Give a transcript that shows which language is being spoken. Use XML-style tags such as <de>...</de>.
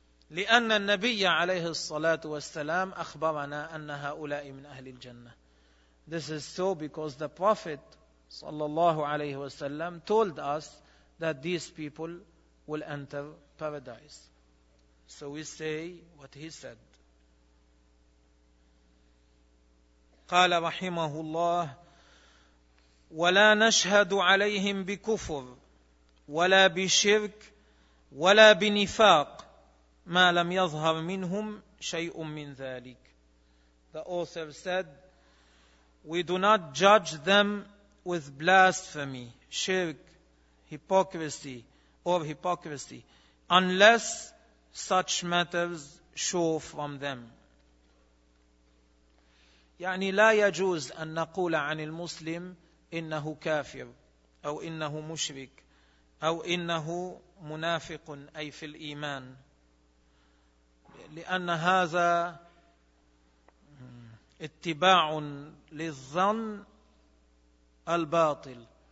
<ar>لأن النبي عليه الصلاة والسلام أخبرنا أن هؤلاء من أهل الجنة.</ar> <en>This is so because the Prophet</en> <ar>صلى الله عليه وسلم</ar> <en>told us that these people will enter paradise. So we say what he said.</en> <ar>قال رحمه الله ولا نشهد عليهم بكفر ولا بشرك ولا بنفاق ما لم يظهر منهم شيء من ذلك.</ar> <en>The author said, we do not judge them with blasphemy, shirk, hypocrisy, or hypocrisy, unless such matters show from them.</en> <ar>يعني لا يجوز أن نقول عن المسلم إنه كافر أو إنه مشرك أو إنه منافق أي في الإيمان. لأن هذا اتباع للظن الباطل.</ar>